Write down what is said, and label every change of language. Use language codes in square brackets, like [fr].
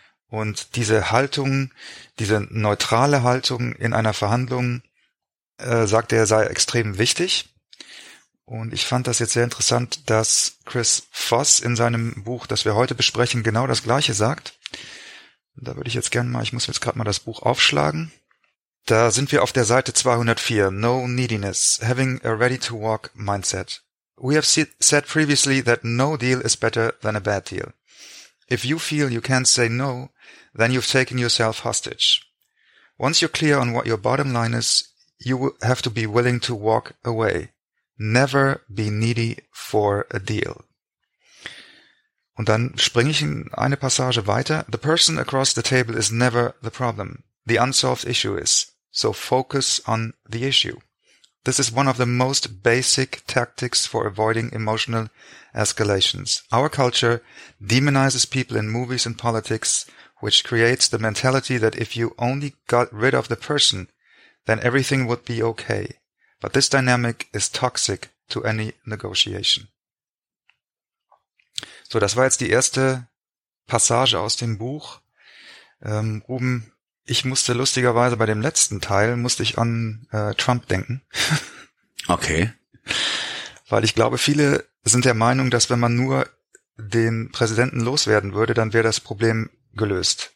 [de] Und diese Haltung, diese neutrale Haltung in einer Verhandlung, sagt er, sei extrem wichtig. Und ich fand das jetzt sehr interessant, dass Chris Voss in seinem Buch, das wir heute besprechen, genau das Gleiche sagt. Da würde ich jetzt gerne mal, ich muss jetzt gerade mal das Buch aufschlagen. Da sind wir auf der Seite 204. [en] No neediness. Having a ready-to-walk mindset. We have said previously that no deal is better than a bad deal. If you feel you can't say no, then you've taken yourself hostage. Once you're clear on what your bottom line is, you have to be willing to walk away. Never be needy for a deal. [de] Und dann springe ich in eine Passage weiter. [en] The person across the table is never the problem. The unsolved issue is. So focus on the issue. This is one of the most basic tactics for avoiding emotional escalations. Our culture demonizes people in movies and politics, which creates the mentality that if you only got rid of the person, then everything would be okay. But this dynamic is toxic to any negotiation. [de] So, das war jetzt die erste Passage aus dem Buch. Ruben, ich musste lustigerweise bei dem letzten Teil, musste ich an Trump denken. Okay. Weil ich glaube, viele sind der Meinung, dass wenn man nur den Präsidenten loswerden würde, dann wäre das Problem gelöst.